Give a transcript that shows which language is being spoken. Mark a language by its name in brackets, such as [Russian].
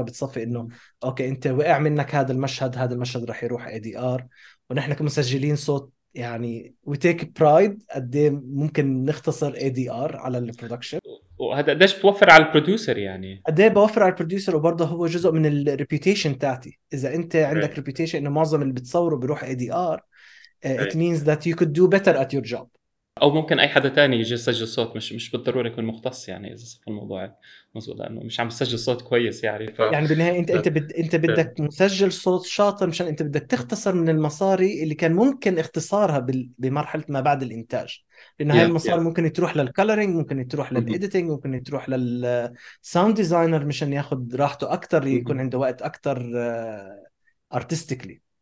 [Arabic] فبتصفي إنه أوكي أنت وقع منك هذا المشهد، هذا المشهد رح يروح ADR، ونحن كمسجلين صوت يعني [English] we take pride [Arabic] قديه ممكن نختصر ADR على البرودكشن، وهذا قديش بتوفر على البروديوسر يعني. أدي بوفر على البروديوسر، وبرضه هو جزء من الريبيوتيشن تاعتي. إذا أنت عندك ريبيوتيشن إنه معظم اللي بتصوره بروح ADR، [English] it means that you could do better at your job. [Arabic] أو ممكن أي حدا تاني يجي يسجل صوت، مش بالضرورة يكون مختص يعني، إذا صار الموضوع مزبوط لأنه مش عم يسجل صوت كويس يعني. يعني بالنهاية أنت بدك مسجل صوت شاطر، مشان أنت بدك تختصر من المصاري اللي كان ممكن اختصارها بمرحلة ما بعد الإنتاج، لأن هاي المصاري ممكن تروح للكالرينج، ممكن تروح للإديتينج، ممكن تروح للساوند ديزاينر مشان ياخد راحته أكتر، يكون عنده وقت أكتر أرتستيكلي.